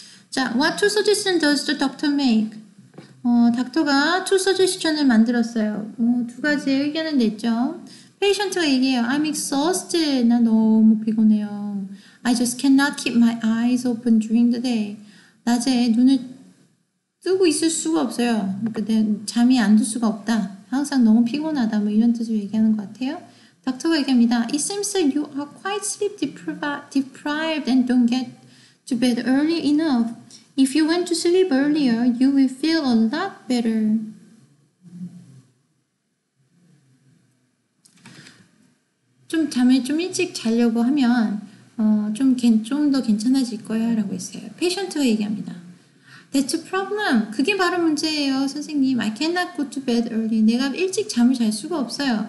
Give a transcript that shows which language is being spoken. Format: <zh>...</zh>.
<ko>자,</ko> <en>what two suggestions does the doctor make?</en> <ko>닥터가</ko> <en>two suggestions</en> <ko>을 만들었어요. 두 가지 의견을 냈죠. Patient가 얘기해요.</ko> <en>I'm exhausted.</en> <ko>나 너무 피곤해요.</ko> <en>I just cannot keep my eyes open during the day.</en> <ko>낮에 눈을 뜨고 있을 수가 없어요. 그러니까 잠이 안들 수가 없다. 항상 너무 피곤하다. 뭐 이런 뜻을 얘기하는 것 같아요. 닥터가 얘기합니다.</ko> <en>It seems that you are quite sleep deprived and don't get to bed early enough. If you went to sleep earlier, you will feel a lot better.</en> <ko>좀 잠을 좀 일찍 자려고 하면 좀 더 괜찮아질 거야 라고 했어요. 페이션트가 얘기합니다.</ko> <en>That's a problem.</en> <ko>그게 바로 문제예요, 선생님.</ko> <en>I cannot go to bed early.</en> <ko>내가 일찍 잠을 잘 수가 없어요.</ko>